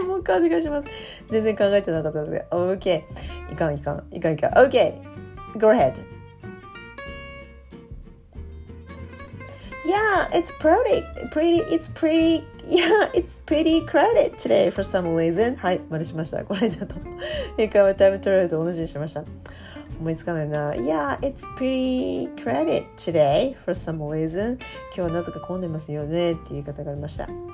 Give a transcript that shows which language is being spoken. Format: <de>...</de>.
<ja>はい、もう一回お願いします。全然考えてなかったので。</ja> <en>OK。</en> <ja>いかん、いかん、いかん、いかん。</ja> <en>OK。 Go ahead. Yeah, it's pretty crowded today for some reason.</en> <ja>はい、丸しました。これだと。一回はタイムトライアルと同じにしました。思いつかないな。</ja> <en>Yeah, it's pretty crowded today for some reason.</en> <ja>今日はなぜか混んでますよねっていう言い方がありました。</ja>